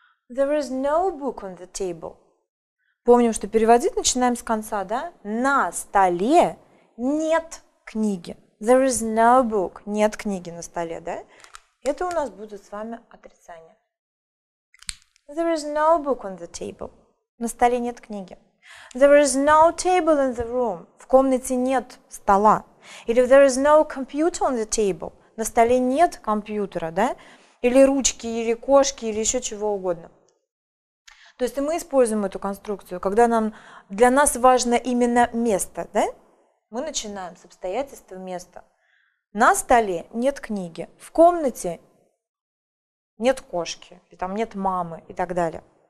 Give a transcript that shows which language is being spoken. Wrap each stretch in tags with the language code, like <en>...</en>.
<en>There is no book on the table.</en> <ru>Помним, что переводить начинаем с конца, да? На столе нет книги.</ru> <en>There is no book.</en> <ru>Нет книги на столе, да? Это у нас будет с вами отрицание.</ru> <en>There is no book on the table.</en> <ru>На столе нет книги.</ru> <en>There is no table in the room.</en> <ru>В комнате нет стола.</ru> <en>Или there is no computer on the table.</en> <ru>На столе нет компьютера, да? Или ручки, или кошки, или еще чего угодно. То есть мы используем эту конструкцию, когда нам, для нас важно именно место, да? Мы начинаем с обстоятельства места. На столе нет книги, в комнате нет кошки, и там нет мамы и так далее.</ru>